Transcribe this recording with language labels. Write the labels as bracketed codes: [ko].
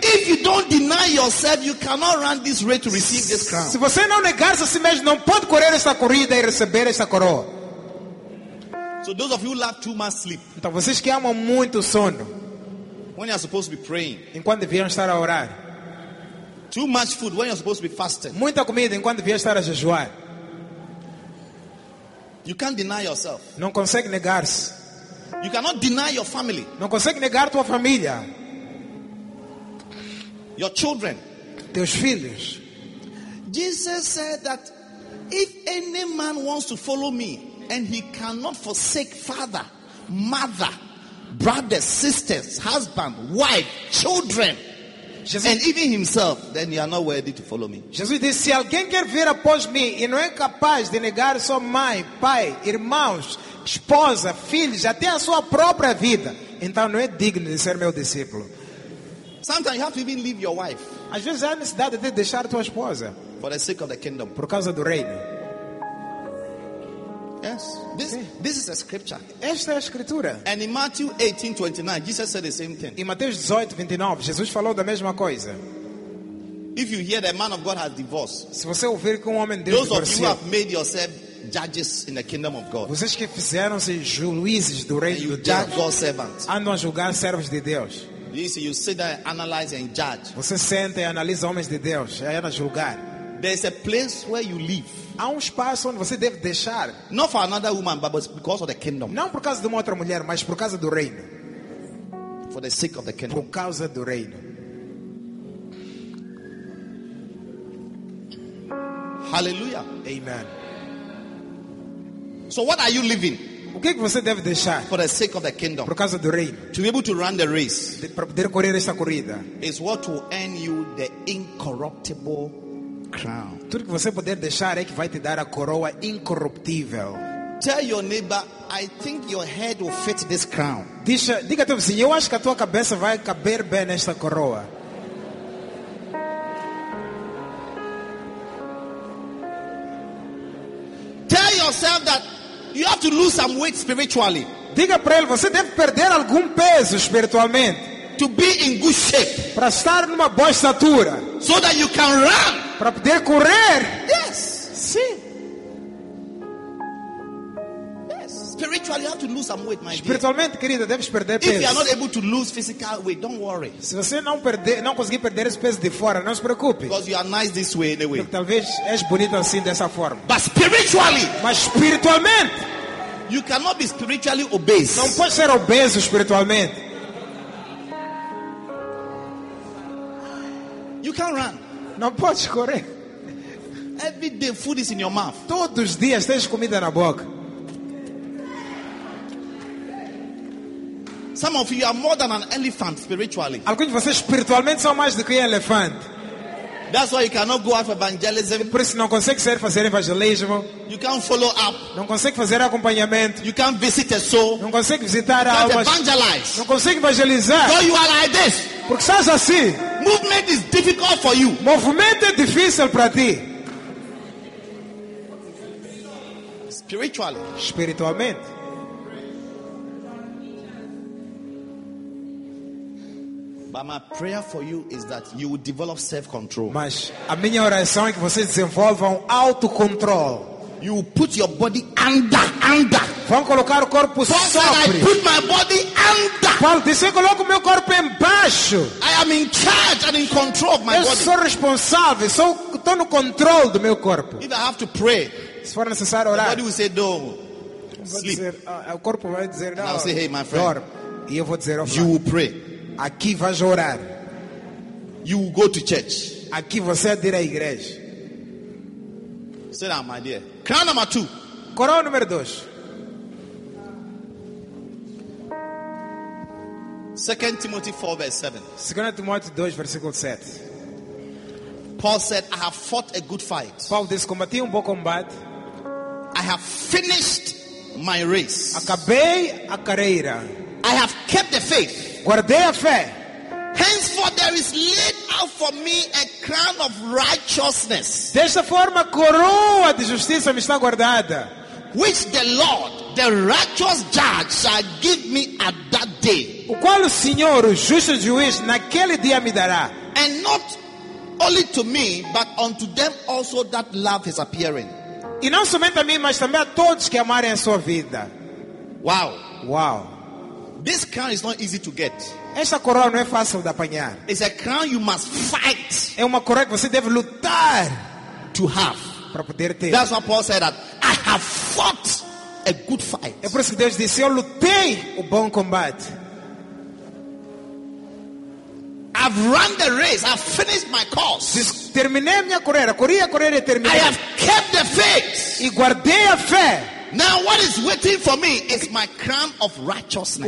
[en] If you don't deny yourself, you cannot run this race to receive this crown. [pt] Se você não negar-se a si mesmo, não pode correr esta corrida e receber esta coroa. [en] So those of you who love too much sleep. [pt] Então vocês que amam muito sono. [en] When you are supposed to be praying. [pt] Enquanto deviam estar a orar. [en] Too much food when you are supposed to be fasting. [pt] Muita comida enquanto deviam estar a jejuar. [en] You can't deny yourself. [pt] Não consegue negar-se. [en] You cannot deny your family. [pt] Não consegue negar tua família. [en] Your children. [pt] Teus filhos. [en] Jesus said that if any man wants to follow me, and he cannot forsake father, mother, brothers, sisters, husband, wife, children, Jesus, and even himself, then you are not worthy to follow me. [pt] Jesus disse, se alguém quer vir após mim e não é capaz de negar sua mãe, pai, irmãos, esposa, filhos, até a sua própria vida, então não é digno de ser meu discípulo. [en] Sometimes you have to even leave your wife. [pt] Às vezes há necessidade de deixar tua esposa. [en] For the sake of the kingdom. [pt] Por causa do reino. [en] Yes. This is a scripture. [pt] Esta é a escritura. [en] And in Matthew 18:29, Jesus said the same thing. [pt] Em Mateus 18:29, Jesus falou da mesma coisa. [en] If you hear that man of God has divorced. [pt] Se você ouvir que homem de Deus divorciou. [en] Those of you have made yourself judges in the kingdom of God. [pt] Vocês que fizeram-se juízes do reino de Deus. [en] You judge God's servants. [pt] Andam a julgar servos de Deus. [en] You sit there, analyze and judge. [pt] Você senta e analisa homens de Deus, aí a julgar. [en] There's a place where you live. [pt] Há espaço onde você deve deixar. [en] Not for another woman, but because of the kingdom. [pt] Não por causa de uma outra mulher, mas por causa do reino. [en] For the sake of the kingdom. [pt] Por causa do reino. [en] Hallelujah. [pt] Amen. [en] So what are you living? [pt] O que você deve deixar? [en] For the sake of the kingdom. [pt] Por causa do reino. [en] To be able to run the race. [pt] Para poder correr esta corrida. [en] Is what will earn you the incorruptible crown. [pt] Tudo que você puder deixar é que vai te dar a coroa incorruptível. [en] Tell your neighbor, I think your head will fit this crown. [pt] Diga teu vizinho, eu acho que a tua cabeça vai caber bem nesta coroa. [en] Tell yourself that you have to lose some weight spiritually. [pt] Diga para ele, você deve perder algum peso espiritualmente. [en] To be in good shape. [pt] Para estar numa boa estatura. [en] So that you can run. [pt] Para poder correr. [en] Yes. [pt] Sim. [en] Yes. Spiritually, you have to lose some weight, my dear. [pt] Espiritualmente, querida, deves perder peso. [en] If you are not able to lose physical weight, don't worry. [pt] Se você não conseguir perder esse peso de fora, não se preocupe. [en] Because you are nice this way anyway. [pt] Porque talvez és bonito assim dessa forma. [en] But spiritually. [pt] Mas espiritualmente. [en] You cannot be spiritually obese. [pt] Não pode ser obeso espiritualmente. [en] You can't run. [pt] Não podes correr. [en] Every day food is in your mouth. [pt] Todos os dias tens comida na boca. [en] Some of you are more than an elephant spiritually. [pt] Alguns de vocês espiritualmente são mais do que um elefante. [en] That's why you cannot go out for evangelism. [pt] Por isso não consegue sair fazer evangelismo. [en] You can't follow up. [pt] Não consegue fazer acompanhamento. [en] You can't visit a soul. [pt] Não consegue visitar a alma. [en] Evangelize. [pt] Não consegue evangelizar. [en] So you are like this. [pt] Porque estás assim. [en] Movement is difficult for you. [pt] Movimento é difícil para ti. [en] Spiritually. [pt] Espiritualmente. [en] But my prayer for you is that you will develop self-control. [pt] Mas a minha oração é que vocês desenvolvam autocontrol. [en] You will put your body under. [pt] Vão colocar o corpo sobre. [en] Said, I put my body under. [pt] Paulo disse, eu coloco meu corpo embaixo. [en] I am in charge and in control of my [pt] eu [en] body. [pt] Eu sou responsável, estou no controle do meu corpo. [en] If I have to pray, [pt] se for necessário orar, [en] the body will say, no, sleep. [pt] Dizer, o corpo vai dizer, não, [en] I'll say, hey, my friend, [pt] dorme. E eu vou dizer, oh, [en] you will pray. [pt] Aqui vais orar. [en] You will go to church. [pt] Aqui você vai ir à igreja. [en] Sit down, my dear. Crown number two. [pt] Coroa número dois. [en] 2 Timothy 4, verse 7. [pt] 2 Timóteo 2, versículo 7. [en] Paul said, I have fought a good fight. [pt] Paulo disse, combati bom combate. [en] I have finished my race. [pt] Acabei a carreira. [en] I have kept the faith. [pt] Guardei a fé. [en] Henceforth there is laid out for me a crown of righteousness. [pt] Desta forma, coroa de justiça me está guardada. [en] Which the Lord, the righteous judge, shall give me at that day. [pt] O qual o Senhor, o justo juiz, naquele dia me dará. [en] And not only to me, but unto them also that love his appearing. [pt] E não somente a mim, mas também a todos que amarem a sua vida. [en] Wow. [pt] Wow. [en] This crown is not easy to get. [pt] Essa coroa não é fácil de apanhar. [en] It's a crown you must fight. [pt] É uma coroa que você deve lutar [en] to have. [pt] Para poder ter. [en] That's what Paul said, that I have fought a good fight. [pt] É por isso que Deus disse, eu lutei o bom combate. [en] I've run the race. I've finished my course. [pt] Terminei minha corrida. Corri a corrida e terminei. [en] I have kept the faith. [pt] E guardei a fé. [en] Now what is waiting for me is my crown of righteousness.